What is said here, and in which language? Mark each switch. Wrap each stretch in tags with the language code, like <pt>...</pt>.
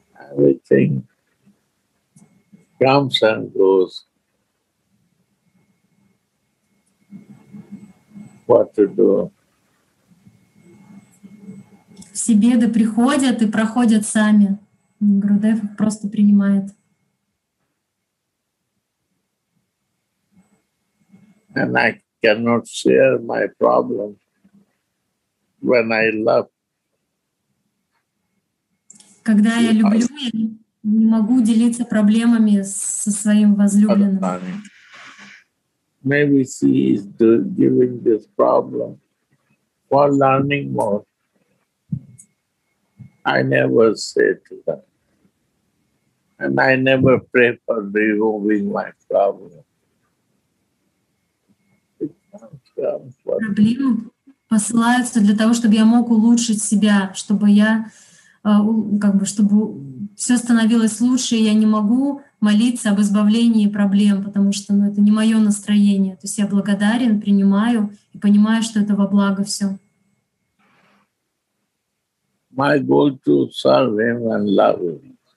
<en>Everything comes and goes. What to do?</en> <ru>Все беды приходят и проходят сами. Гурудев их просто принимает.</ru> <en>And I cannot share my problem when I love.</en> <ru>Когда я люблю, я не могу делиться проблемами со своим возлюбленным.</ru> <en>Maybe she is giving this problem for learning more. I never say to her. And I never pray for removing my problem.</en> <ru>Проблемы посылаются для того, чтобы я мог улучшить себя, чтобы я, как бы, чтобы все становилось лучше, и я не могу молиться об избавлении проблем, потому что, ну, это не мое настроение. То есть я благодарен, принимаю и понимаю, что это во благо все.</ru> <en>My goal to serve him and love him.</en>